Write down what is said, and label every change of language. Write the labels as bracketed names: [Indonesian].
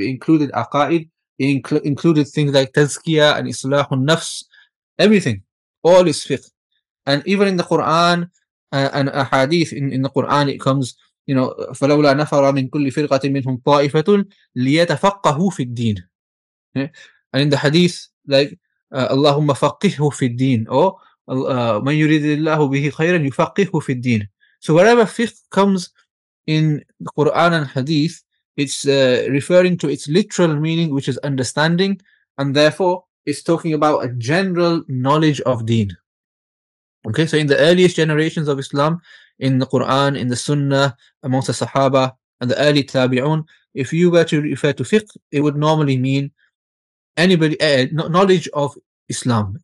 [English] It included aqa'id, included things like tazkiyah and islahun nafs, everything. All is fiqh. And even in the Quran and ahadith, in the Quran it comes, you know, [Arabic] فَلَوْلَا نَفَرَ مِنْ كُلِّ فِرْقَةٍ مِنْهُمْ طَائِفَةٌ لِيَتَفَقَّهُ فِي الدِّينِ. [English] And in the hadith, like, [Arabic] اللهم فقهه في الدين, or مَنْ يُرِدِ اللَّهُ بِهِ خَيْرًا يُفَقِّهُ فِي الدِّينِ. [English] So wherever fiqh comes in the Quran and hadith, it's referring to its literal meaning, which is understanding, and therefore it's talking about a general knowledge of deen. Okay, so in the earliest generations of Islam, in the Quran, in the Sunnah, amongst the Sahaba and the early Tabi'un, if you were to refer to fiqh, it would normally mean anybody, knowledge of Islam.